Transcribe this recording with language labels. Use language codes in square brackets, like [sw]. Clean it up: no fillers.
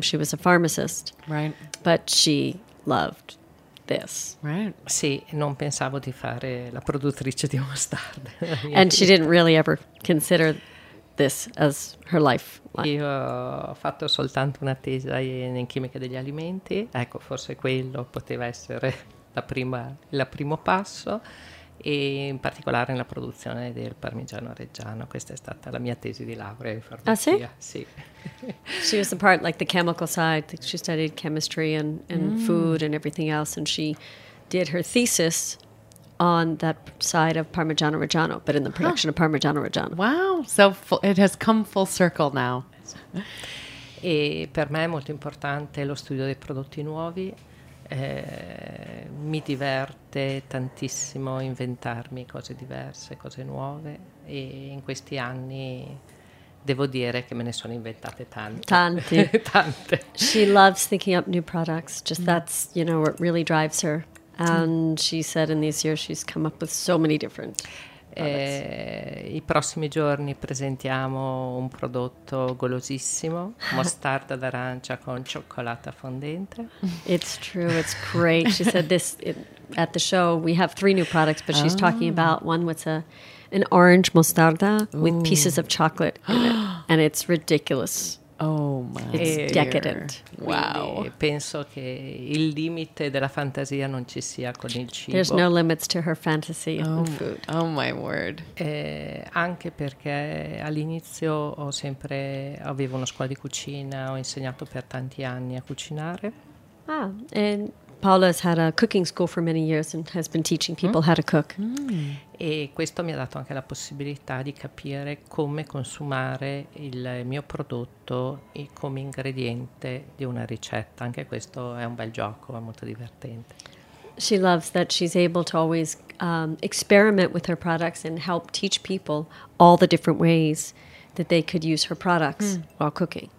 [en] She was a pharmacist. Right. But she loved this. Right. [it] Sì, non pensavo di fare la produttrice di mustard. [en] And she didn't really ever consider this as her life. [it] Io ho fatto soltanto una tesi in chimica degli alimenti. Ecco, forse quello poteva essere il primo passo, e in particolare nella produzione del parmigiano reggiano. Questa è stata la mia tesi di laurea in farmacia. Ah, sì? Sì. [en] She was the part, like the chemical side. She studied chemistry and food and everything else, and she did her thesis on that side of Parmigiano Reggiano, but in the production of Parmigiano Reggiano. Wow, so it has come full circle now. [it] E per me è molto importante lo studio dei prodotti nuovi. Mi diverte tantissimo inventarmi cose diverse, cose nuove, e in questi anni devo dire che me ne sono inventate tante. Tanti. Tante. [en] She loves thinking up new products. Just that's, you know, what really drives her. And she said in these years she's come up with so many different products. [it] I prossimi giorni presentiamo un prodotto golosissimo, mostarda d'arancia con cioccolata fondente. [en] It's true, it's great. She said this at the show. We have three new products, but she's talking about one with an orange mostarda with pieces of chocolate in it. And it's ridiculous. Oh my, it's decadent. Wow. [it] Penso che il limite della fantasia non ci sia con il cibo. [en] There's no limits to her fantasy in food. Oh my word. [it] Anche perché all'inizio avevo una scuola di cucina, ho insegnato per tanti anni a cucinare. [en] Ah, and Paola has had a cooking school for many years and has been teaching people how to cook. Mm. [it] E questo mi ha dato anche la possibilità di capire come consumare il mio prodotto come ingrediente di una ricetta. Anche questo è un bel gioco, è molto divertente. [en] She loves that she's able to always experiment with her products and help teach people all the different ways that they could use her products while cooking.